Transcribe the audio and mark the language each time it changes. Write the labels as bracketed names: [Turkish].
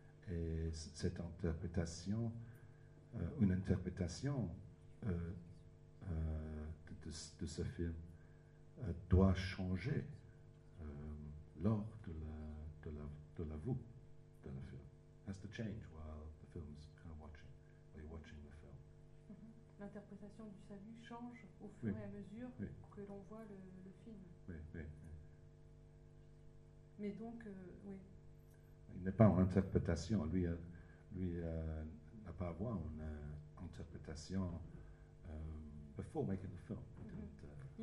[French] Et cette interprétation, de ce film, doit changer lors de la vue de la film. [English] It has to change while the film is kind of watching, while you're watching the film. Mm-hmm. [French] L'interprétation du salut change au fur et à mesure que l'on voit le film. Oui. Mais donc, oui. Il n'est pas en interprétation. Lui n'a pas à voir une interprétation [English] before making the film. [French] Mm-hmm.